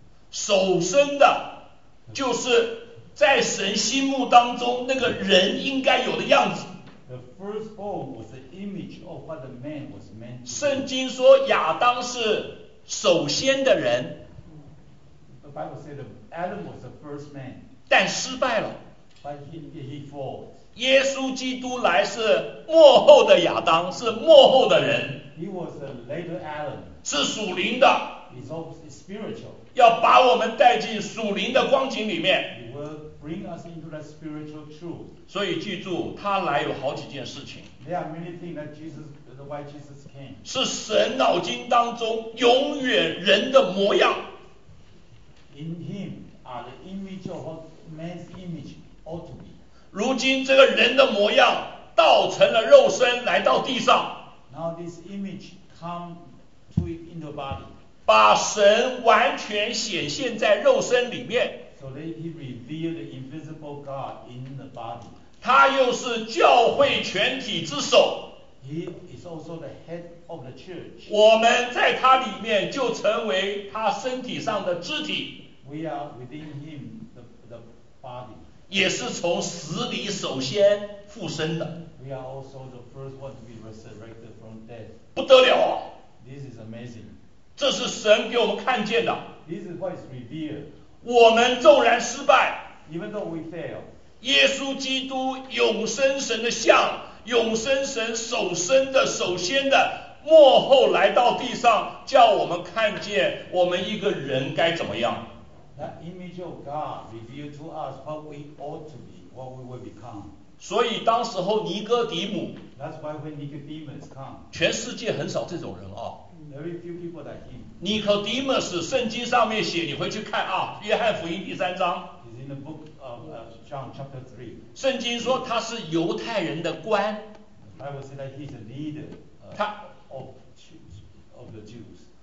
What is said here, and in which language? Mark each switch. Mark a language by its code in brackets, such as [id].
[zh] 首生的，就是在神心目当中那个人应该有的样子。 [en] The firstborn was the image of what the man was meant. [zh] 圣经说亚当是首先的人。 [en] The Bible said Adam was the first man. [zh] 但失败了。 [en] But he fell. [zh] 耶稣基督来是末后的亚当，是末后的人。 [en] He was a later Adam. [zh] 是属灵的。 [en] He's also spiritual. [zh] 要把我们带进属灵的光景里面。 [en] He will bring us into that spiritual truth. [zh] 所以记住，他来有好几件事情。 [en] There are many things that Jesus, why Jesus came. [zh] 是神脑筋当中永远人的模样。 [en] In him are the image of what man's image ought to be. [zh] 如今这个人的模样道成了肉身来到地上。 [en] Now this image come to it in the body. [zh] 把神完全显现在肉身里面。 [en] So that he revealed the invisible God in the body. [zh] 他又是教会全体之首。 [en] He is also the head of the church. [zh] 我们在他里面就成为他身体上的肢体。 [en] We are within him the body. [zh] 也是从死里首先复生的。 [en] We are also the first one to be resurrected from death. [zh] 不得了啊。 [en] This is amazing. [zh] 这是神给我们看见的。 [en] This is what is revealed. [zh] 我们纵然失败。 [en] Even though we fail. [zh] 耶稣基督永生神的像，永生神首生的、首先的，末后来到地上，叫我们看见我们一个人该怎么样。 [en] That image of God revealed to us what we ought to be, what we will become. [zh] 所以当时候尼哥底母。 [en] That's why when Nicodemus come. [zh] 全世界很少这种人啊。 [en] Very few people like him. [zh] Nicodemus 圣经上面写，你回去看啊，约翰福音第三章。 [en] It's in the book of John chapter 3. [zh] 圣经说他是犹太人的官。 [en] The Bible said that he's a leader of the Jews.